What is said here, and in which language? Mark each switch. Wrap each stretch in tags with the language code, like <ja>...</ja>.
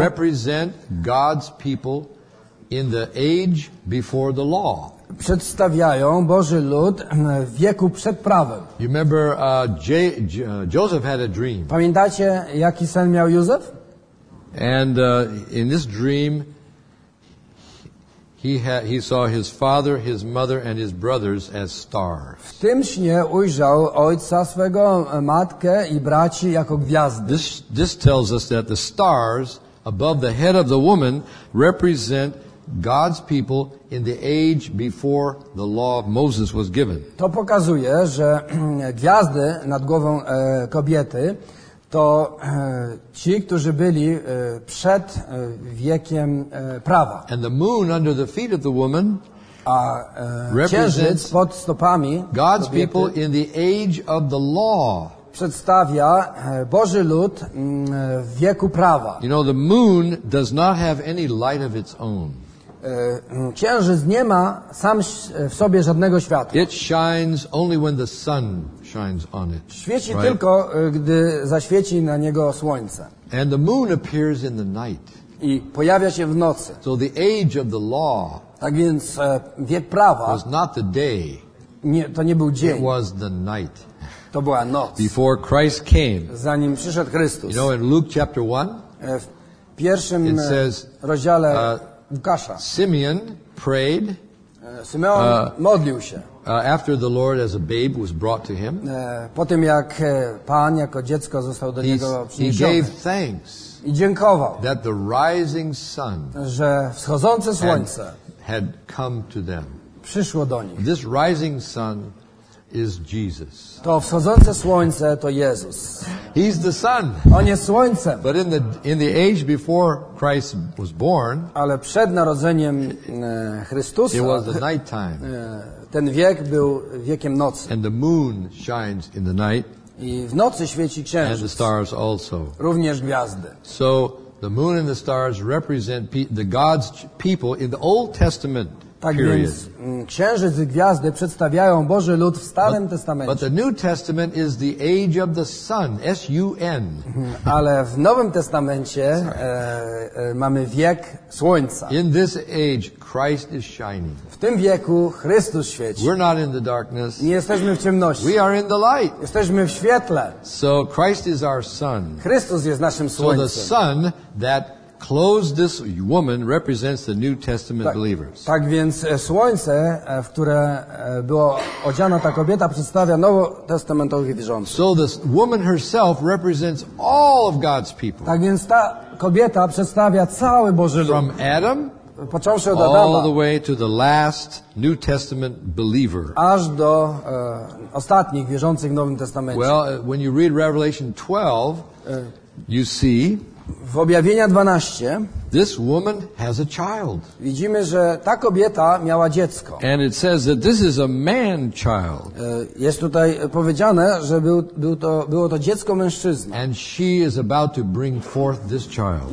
<en>represent God's people in the age before the law.</en> <pl>Przedstawiają Boży lud w wieku przed prawem.</pl> <en>You remember Joseph had a dream.</en> <pl>Pamiętacie, jaki sen miał Józef?</pl> <en>And in this dream he saw his father, his mother, and his brothers as stars.</en> <pl>W tym śnie ujrzał ojca swego, matkę i braci jako gwiazdy.</pl> <en>This tells us that the stars above the head of the woman represent God's people in the age before the law of Moses was given.</en> <pl>To pokazuje, że gwiazdy nad głową kobiety to ci, którzy byli przed wiekiem prawa.</pl> <en>And the moon under the feet of the woman represents</en> <pl>pod stopami</pl> <en>God's people in the age of the law.</en> <pl>Przedstawia Boży lud w wieku prawa.</pl> <en>You know, the moon does not have any light of its own.</en> <pl>Księżyc nie ma sam w sobie żadnego światła.</pl> <en>It shines only when the sun shines on it.</en> <pl>Świeci tylko, gdy zaświeci na niego słońce.</pl> <en>And the moon appears in the night.</en> <pl>I pojawia się w nocy.</pl> <en>So the age of the law,</en> <pl>tak więc wiek prawa,</pl> <en>was not the day.</en> <pl>Nie, to nie był dzień.</pl> <en>It was the night.</en> <pl>To była noc.</pl> <en>Before Christ came.</en> <pl>Zanim przyszedł Chrystus.</pl> <en>You know, in Luke chapter 1,</en> <pl>w pierwszym rozdziale Łukasza.</pl> <en>Simeon prayed.</en> <pl>Simeon modlił się.</pl> <en>After the Lord as a babe was brought to him.</en> <pl>Po tym jak Pan jako dziecko został do niego przyniesiony.</pl> <en>He gave thanks.</en> <pl>I dziękował.</pl> <en>That the rising sun.</en> <pl>Że wschodzące słońce.</pl> <en>Had come to them.</en> <pl>Przyszło do nich.</pl> <en>This rising sun is Jesus.</en> <pl>To wschodzące słońce to Jezus.</pl> <en>He's the sun.</en> <pl>On jest słońcem.</pl> <en>But in the age before Christ was born,</en> <pl>ale przed narodzeniem Chrystusa,</pl> <en>it was the night time.</en> <pl>Ten wiek był wiekiem nocy.</pl> <en>And the moon shines in the night.</en> <pl>I w nocy świeci księżyc.</pl> <en>And the stars also.</en> <pl>Również gwiazdy.</pl> <en>So the moon and the stars represent the God's people in the Old Testament.</en> <pl>Tak więc księżyc i gwiazdy przedstawiają Boży lud w Starym Testamencie.</pl> <en>But the New Testament is the age of the sun, S-U-N.</en> <pl>Ale w Nowym Testamencie mamy wiek słońca.</pl> <en>In this age, Christ is shining.</en> <pl>W tym wieku Chrystus świeci.</pl> <en>We're not in the darkness.</en> <pl>Nie jesteśmy w ciemności.</pl> <en>We are in the light.</en> <pl>Jesteśmy w świetle.</pl> <en>So Christ is our sun.</en> <pl>Chrystus jest naszym słońcem.</pl> <en>So the sun that clothes this woman represents the New Testament believers.</en> <pl>Tak więc słońce, w które była odziana ta kobieta, przedstawia nowotestamentowych wierzących.</pl> <en>So this woman herself represents all of God's people.</en> <pl>Tak więc ta kobieta przedstawia cały Boży lud.</pl> <en>From Adam,</en> <pl>począwszy od</pl> <en>Adama, all the way to the last New Testament believer.</en> <pl>Aż do ostatnich wierzących w Nowym Testamencie.</pl> <en>Well, when you read Revelation 12, you see</en> <pl>w Objawienia 12</pl> <en>this woman has a child.</en> <pl>Widzimy, że ta kobieta miała dziecko.</pl> <en>And it says that this is a man child.</en> <pl>Jest tutaj powiedziane, że było to dziecko mężczyzny.</pl> <en>And she is about to bring forth this child.</en>